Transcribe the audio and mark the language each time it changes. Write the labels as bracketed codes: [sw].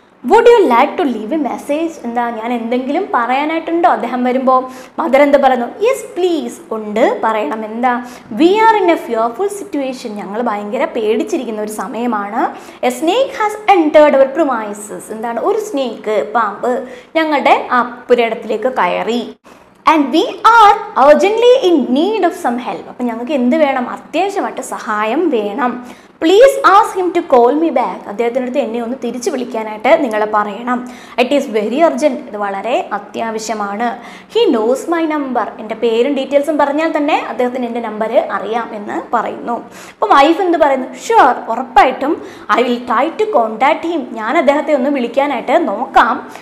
[en] would you like to leave a message, [ml] എന്താ ഞാൻ എന്തെങ്കിലും പറയാനായിട്ടുണ്ടോ അദ്ദേഹം വരുമ്പോൾ. മദർ എന്ത് പറയുന്നു, [en] yes please, [ml] ഉണ്ട് പറയണം. എന്താ [en] we are in a fearful situation, [ml] ഞങ്ങൾ ഭയങ്കര പേടിച്ചിരിക്കുന്ന ഒരു സമയമാണ്. [en] a snake has entered our premises, [ml] എന്താണ് ഒരു സ്നേക്ക് പാമ്പ് ഞങ്ങളുടെ ആ പുരയിടത്തിലേക്ക് കയറി. [en] And we are urgently in need of some help. [ml] അപ്പം ഞങ്ങൾക്ക് എന്ത് വേണം, അത്യാവശ്യമായിട്ട് സഹായം വേണം. [en] Please ask him to call me back. [ml] അദ്ദേഹത്തിൻ്റെ അടുത്ത് എന്നെ ഒന്ന് തിരിച്ച് വിളിക്കാനായിട്ട് നിങ്ങൾ പറയണം. [en] it is very urgent, [ml] ഇത് വളരെ അത്യാവശ്യമാണ്. [en] he knows my number, [ml] എൻ്റെ പേരും ഡീറ്റെയിൽസും പറഞ്ഞാൽ തന്നെ അദ്ദേഹത്തിന് എൻ്റെ നമ്പര് അറിയാം എന്ന് പറയുന്നു. അപ്പം വൈഫ് എന്ത് പറയുന്നു, ഷുവർ ഉറപ്പായിട്ടും, [en] I will try to contact him, [ml] ഞാൻ അദ്ദേഹത്തെ ഒന്ന് വിളിക്കാനായിട്ട് നോക്കാം.